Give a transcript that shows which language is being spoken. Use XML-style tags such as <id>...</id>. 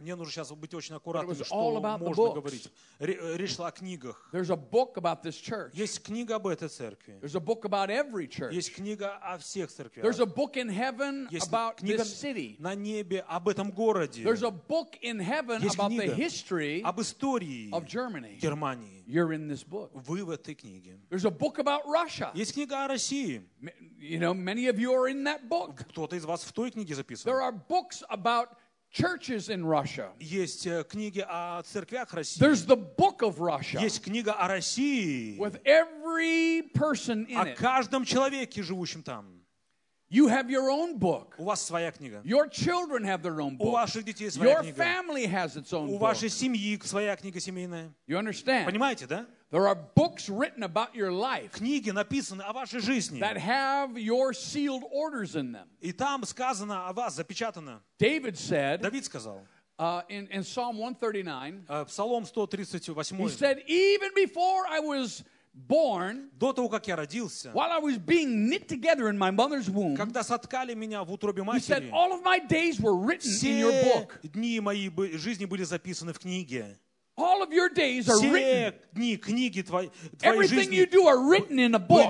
<ru>Мне нужно сейчас быть очень аккуратным, что можно говорить. Речь шла о книгах.</ru> <en>There's a book about this church.</en> <ru>Есть книга об этой церкви.</ru> <en>There's a book about every church.</en> <ru>Есть книга о всех церквях.</ru> <en>There's a book in heaven about this city.</en> <ru>На небе об этом городе.</ru> <en>There's a book in heaven about the history</en> <ru>об истории</ru> <en>of Germany.</en> <ru>Германии.</ru> <en>You're in this book.</en> <ru>Вы в этой книге.</ru> <en>There's a book about Russia.</en> <ru>Есть книга о России.</ru> <en>You know, many of you are in that book.</en> <ru>Кто-то из вас в той книге записан.</ru> <en>There are books about churches in Russia.</en> <ru>Есть книги о церквях России.</ru> <en>There's the book of Russia.</en> <ru>Есть книга о России.</ru> <en>With every person in it.</en> <ru>О каждом человеке, живущем там.</ru> <en>You have your own book.</en> <ru>У вас своя книга.</ru> <en>Your children have their own book.</en> <ru>У ваших детей своя книга.</ru> <en>Your family has its own book.</en> <ru>У вашей семьи своя книга семейная.</ru> <en>You understand?</en> <ru>Понимаете, да?</ru> <en>There are books written about your life.</en> <ru>Книги написаны о вашей жизни.</ru> <en>That have your sealed orders in them.</en> <ru>И там сказано о вас, запечатано.</ru> <en>David said.</en> <ru>Давид сказал.</ru> <en>In Psalm 139.</en> <ru>Псалом 138.</ru> <en>He said, even before I was born,</en> <ru>до того как я родился,</ru> <en>while I was being knit together in my mother's womb,</en> <ru>когда соткали меня в утробе матери,</ru> <en>he said all of my days were written in your book.</en> <ru>Все дни моей жизни были записаны в книге.</ru> <en>All of your days are</en> <ru>все</ru> <en>written.</en> <ru>Все дни книги</ru> <en>everything you do are written in a book.</en>